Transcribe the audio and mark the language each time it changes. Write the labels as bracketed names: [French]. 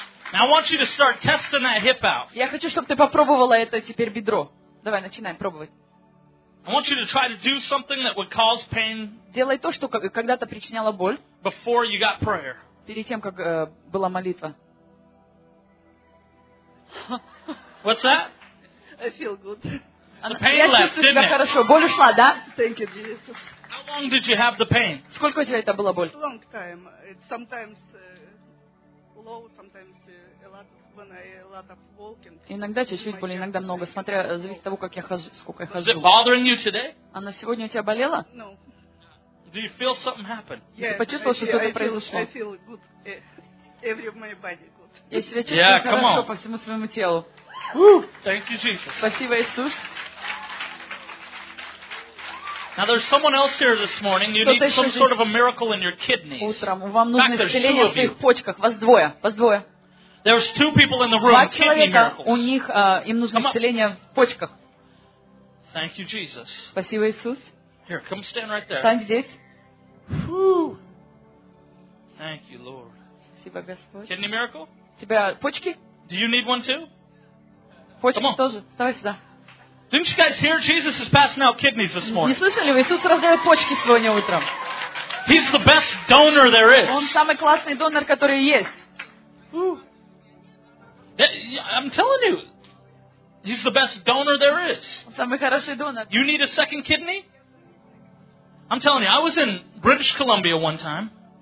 [English] Now I want you to start testing that hip out. [Russian] Я хочу, чтобы ты попробовала это теперь бедро. Давай, начинаем пробовать. [English] I want you to try to do something that would cause pain. [Russian] Делай то, что когда-то причиняло боль. [English] Before you got prayer. [Russian] Перед тем, как была молитва. [English] What's that? I feel good. [Russian] Я чувствую себя хорошо. Боль ушла, да? [English] Thank you, Jesus. How long did you have the pain? [Russian] Сколько у тебя это была боль? [English] Long time. It's sometimes low, sometimes a lot when I lot of walking. [Russian] Иногда чуть-чуть боль, иногда много, смотря зависит от того, как я хожу, сколько я хожу. [English] Is it bothering you today? [Russian] Она сегодня у тебя болела? [English] No. Do you feel something happen? [Russian] Yes. Ты почувствовал, что что-то произошло? [English] I feel good. Every of my body good. [Russian] Я себя чувствую хорошо по всему своему телу. [English] Thank you, Jesus. [Russian] Спасибо, Иисус. [English] Now there's someone else here this morning. You need some sort of a miracle in your kidneys. [Russian] Утром вам нужно исцеление в своих почках. Вас двое. Вас двое. [English] There's two people in the room. [Russian] Два человека. У них им нужно исцеление в почках. [English] Thank you, Jesus. [Russian] Спасибо, Иисус. [English] Here, come stand right there. [Russian] Стань здесь. [English] Thank you, Lord. [Russian] Спасибо, Господь. [English] Kidney miracle? [Russian] У тебя почки? [English] Do you need one too? [Russian] Почки тоже. Давай сюда. [English] Didn't you guys hear Jesus is passing out kidneys this morning? [Russian] Не слышали вы? Иисус раздает почки сегодня утром. [English] He's the best donor there is. [Russian] Он самый классный донор, который есть. [English] I'm telling you, he's the best donor there is. [Russian] Он самый хороший донор. [English] You need a second kidney? I'm telling you, I was in British Columbia one time.